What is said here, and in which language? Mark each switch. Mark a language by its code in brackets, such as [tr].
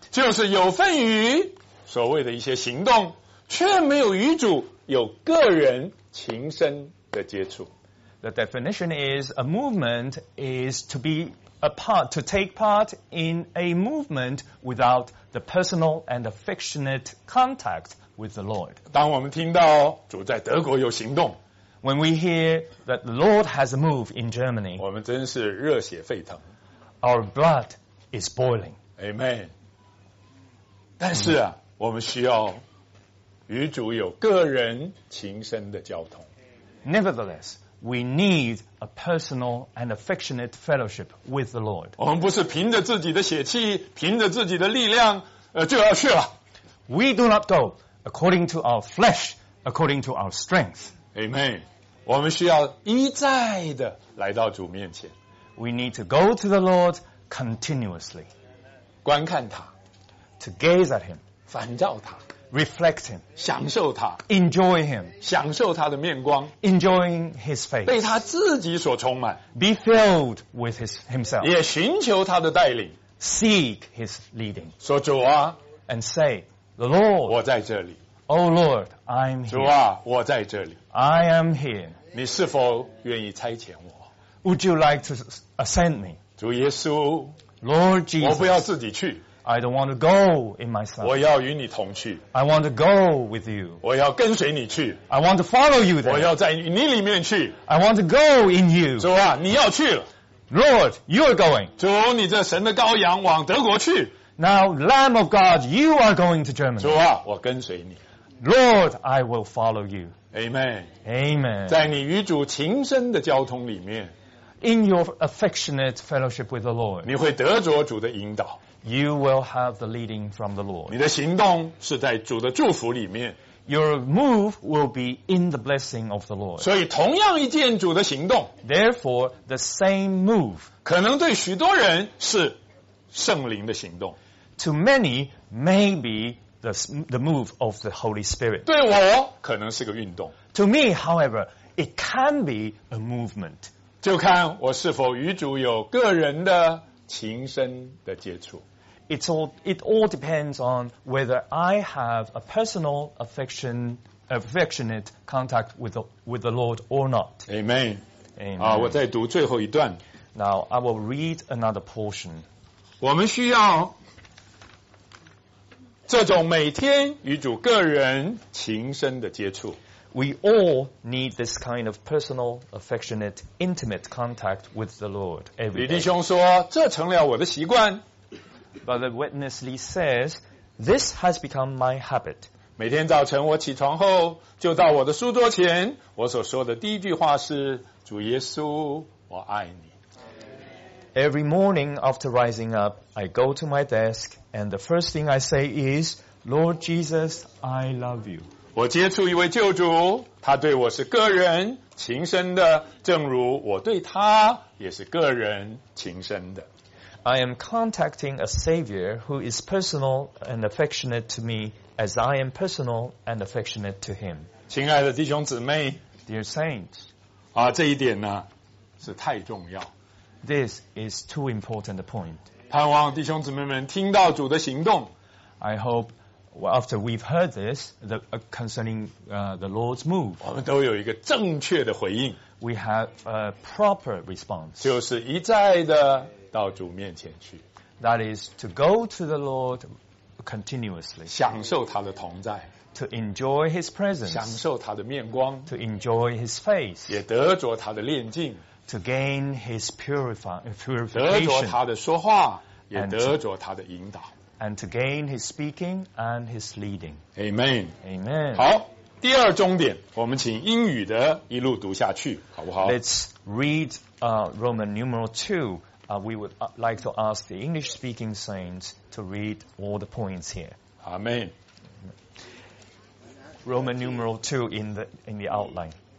[zh] 就是有份于所谓的一些行动，却没有与主有个人情深的接触。 [en] The definition is a movement is to be a part, to take part in a movement without the personal and affectionate contact with the Lord. [zh] 当我们听到主在德国有行动， [en] When we hear that the Lord has a move in Germany, [zh] 我们真是热血沸腾。 [en] Our blood is boiling. Amen. [zh] 但是啊，我们需要与主有个人情深的交通。 [en] Nevertheless, we need a personal and affectionate fellowship with the Lord. [zh] 我们不是凭着自己的血气，凭着自己的力量，就要去了。 [en] We do not go according to our flesh, according to our strength. Amen. [zh] 我们需要一再的来到主面前。 [en] We need to go to the Lord continuously. [zh] 观看他。 [en] To gaze at him. [zh] 反照他。 [en] Reflect him, [zh] 享受他 [en] ，enjoy him, [zh] 享受他的面光 [en] ，enjoying his face, [zh] 被他自己所充满 [en] ，be filled with himself, [zh] 也寻求他的带领 [en] ，seek his leading, [zh] 说主啊 [en] ，and say the Lord, [zh] 我在这里 [en] ，Oh Lord, I'm here, [zh] 主啊，我在这里 [en] ，I am here, [zh] 你是否愿意差遣我 [en] ？Would you like to ascend me? [zh] 主耶稣 [en] ，Lord Jesus, [zh] 我不要自己去。 [en] I don't want to go in myself. [zh] 我要与你同去。 [en] I want to go with you. [zh] 我要跟随你去。 [en] I want to follow you there. [zh] 我要在你里面去。 [en] I want to go in you. [zh] 主啊，你要去了。 [en] Lord, you are going. [zh] 主，你这神的羔羊往德国去。 [en] Now, Lamb of God, you are going to Germany. [zh] 主啊，我跟随你。 [en] Lord, I will follow you. Amen. Amen. [zh] 在你与主情深的交通里面。 [en] In your affectionate fellowship with the Lord. [zh] 你会得着主的引导。 [en] You will have the leading from the Lord. [zh] 你的行动是在主的祝福里面。 [en] Your move will be in the blessing of the Lord. [zh] 所以同样一件主的行动， [en] Therefore, the same move. [zh] 可能对许多人是圣灵的行动。 [en] To many, maybe the move of the Holy Spirit. [zh] 对我可能是个运动。 [en] To me, however, it can be a movement. [zh] 就看我是否与主有个人的情深的接触。 [en] It all depends on whether I have a personal affectionate contact with the Lord or not. Amen. Amen. [zh] 我再读最后一段。 [en] Now I will read another portion. [zh] 我们需要这种每天与主个人情深的接触。 [en] We all need this kind of personal, affectionate, intimate contact with the Lord every day. [zh] 李弟兄说，这成了我的习惯。 [en] But the witness Lee says, this has become my habit. [zh] 每天早晨我起床后，就到我的书桌前，我所说的第一句话是，主耶稣，我爱你。 [en] Every morning after rising up, I go to my desk, and the first thing I say is, Lord Jesus, I love you. [zh] 我接触一位救主，他对我是个人情深的，正如我对他也是个人情深的。 [en] I am contacting a Savior who is personal and affectionate to me as I am personal and affectionate to him. [zh] 亲爱的弟兄姊妹 [en] ，Dear Saints， [zh] 啊，这一点呢是太重要。 [en] This is too important a point. [zh] 盼望弟兄姊妹们听到主的行动。 [en] I hope. Well, after we've heard this, concerning the Lord's move, [zh] 我们都有一个正确的回应。 [en] We have a proper response. [zh] 就是一再的到主面前去。 [en] That is to go to the Lord continuously. [zh] 享受他的同在。 [en] To enjoy his presence. [zh] 享受他的面光。 [en] To enjoy his face. [zh] 也得着他的炼净。 [en] To gain his purification. [zh] 得着他的说话，也得着他的引导。 [en] And to gain his speaking and his leading. Amen. Amen. [zh] 好，第二重点，我们请英语的一路读下去，好不好？ [en] Let's read Roman numeral 2. We would like to ask the English speaking saints to read all the points here. Amen. Roman numeral 2 in the outline.